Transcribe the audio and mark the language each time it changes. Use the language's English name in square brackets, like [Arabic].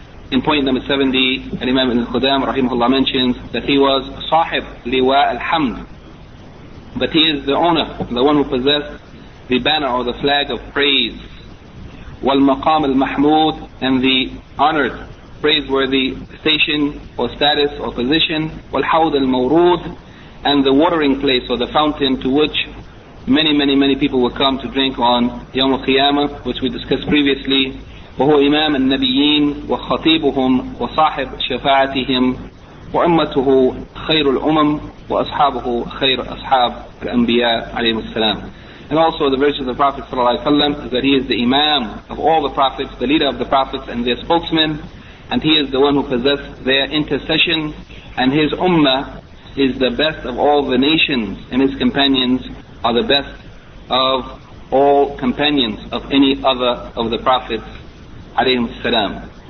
[English] In point number 70, Al-Imam Ibn Khudam rahimahullah mentions that he was sahib liwa al-hamd, but he is the owner, the one who possessed the banner or the flag of praise, wal-maqam al-mahmud, and the honored, praiseworthy station or status or position, wal-hawd al-mawrud, and the watering place or the fountain to which many, many, many people will come to drink on Yawm al-Qiyamah, which we discussed previously. [Arabic] وهو إمام النبيين وخطيبهم وصاحب شفاعتهم وأمته خير الأمم وأصحابه خير أصحاب الأنبياء عليهم السلام. [English] And also the virtue of the Prophet [Arabic] صلى الله عليه وسلم [English] is that he is the Imam of all the Prophets, the leader of the Prophets and their spokesmen, and he is the one who possesses their intercession, and his Ummah is the best of all the nations, and his companions are the best of all companions of any other of the Prophets alayhim salam.